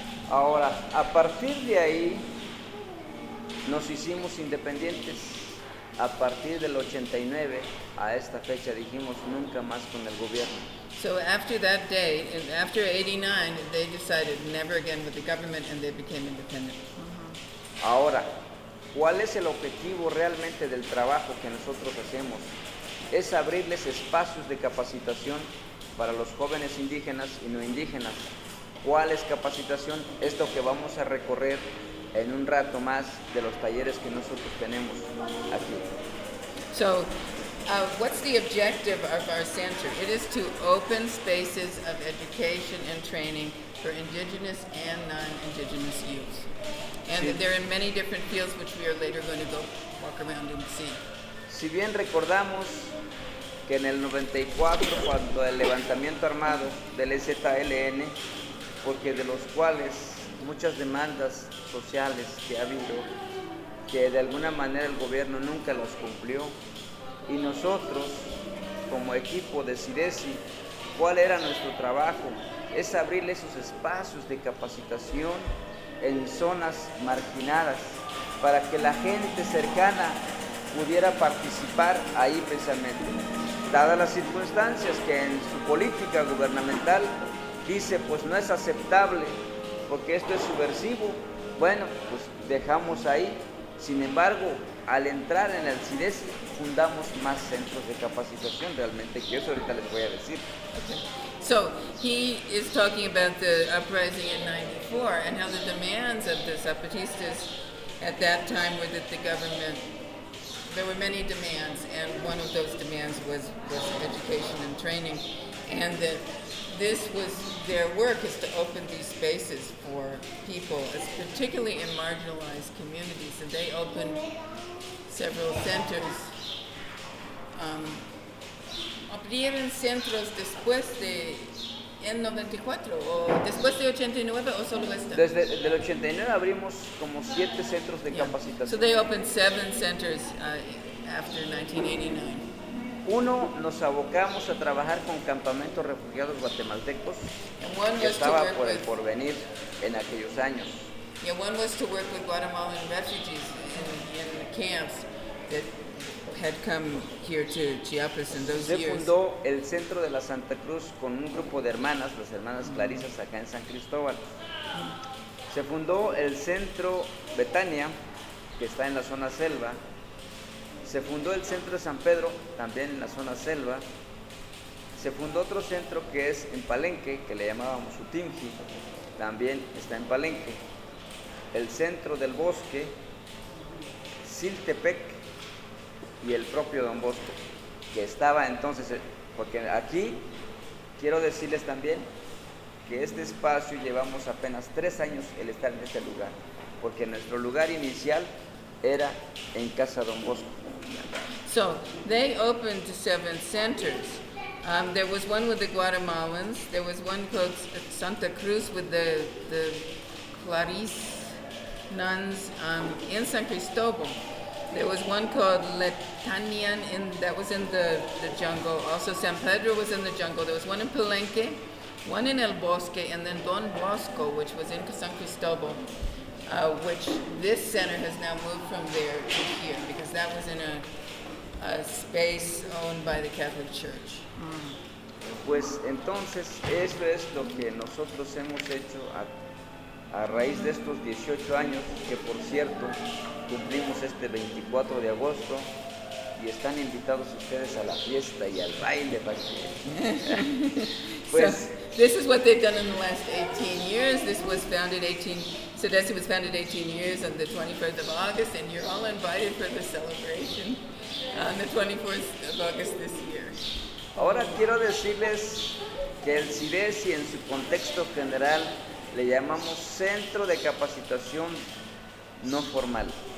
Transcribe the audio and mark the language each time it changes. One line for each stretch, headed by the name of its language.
Spanish: Ahora, a partir de ahí, nos hicimos independientes. A partir del 89, a esta fecha, dijimos nunca más con el gobierno.
English: So after that day, after 89, they decided never again with the government, and they became independent. Uh-huh.
Spanish: Ahora, ¿cuál es el objetivo realmente del trabajo que nosotros hacemos? Es abrirles espacios de capacitación para los jóvenes indígenas y no indígenas. ¿Cuál es capacitación? Esto que vamos a recorrer en un rato más de los talleres que nosotros tenemos aquí.
English: So, what's the objective of our center? It is to open spaces of education and training for indigenous and non-indigenous youth. And sí, they're in many different fields, which we are later going to go walk around and see.
Spanish: Si bien recordamos que en el 94, cuando el levantamiento armado del EZLN, porque de los cuales muchas demandas sociales que ha habido, que de alguna manera el gobierno nunca los cumplió. Y nosotros, como equipo de CIDESI, ¿cuál era nuestro trabajo? Es abrir esos espacios de capacitación en zonas marginadas para que la gente cercana pudiera participar ahí precisamente. Dadas las circunstancias que en su política gubernamental dice, pues no es aceptable porque esto es subversivo, bueno, pues dejamos ahí. Sin embargo, al entrar en el CIDESI, fundamos más centros de capacitación realmente, que eso ahorita les voy a decir. Okay.
English: So, he is talking about the uprising in 94 and how the demands of the Zapatistas at that time were that the government, there were many demands, and one of those demands was education and training, and that this was their work, is to open these spaces for people, particularly in marginalized communities. And they opened several centers.
Spanish: Abrieron centros después de en 94 o después de 89 o solo este. Desde el 89 abrimos como 7 centros de capacitación.
English: So they opened 7 centers after 1989.
Spanish: Uno, nos abocamos a trabajar con campamentos refugiados guatemaltecos, que estaba por el porvenir en aquellos años.
English: Yeah, one was to work with Guatemalan refugees in the camps that had come here to Chiapas in those years.
Spanish: Se fundó el Centro de la Santa Cruz con un grupo de hermanas, las hermanas Clarisas, acá en San Cristóbal. Se fundó el Centro Betania, que está en la zona selva. Se fundó el Centro de San Pedro, también en la zona selva. Se fundó otro centro que es en Palenque, que le llamábamos Utimji, también está en Palenque. El Centro del Bosque, Siltepec y el propio Don Bosco, que estaba entonces, porque aquí quiero decirles también que este espacio llevamos apenas 3 años el estar en este lugar, porque nuestro lugar inicial era en Casa Don Bosco.
English: So, they opened 7 centers. There was one with the Guatemalans, there was one called Santa Cruz with the Clarice nuns in San Cristobal. There was one called Letanian, that was in the jungle. Also, San Pedro was in the jungle. There was one in Palenque, one in El Bosque, and then Don Bosco, which was in San Cristobal. Which this center has now moved from there to here, because that was in a space owned by the Catholic Church.
Spanish: Pues entonces, esto es lo que nosotros hemos hecho a raíz de estos 18 años, que por cierto, cumplimos este 24 de agosto, y están invitados ustedes a la fiesta y al baile.
English: Pues, so, this is what they've done in the last 18 years. This was founded 18... CIDESI was founded 18 years on the 21st of August, and you're all invited for the celebration on the 24th of August this year.
Spanish: Ahora quiero decirles que el CIDESI en su contexto general le llamamos Centro de Capacitación No Formal.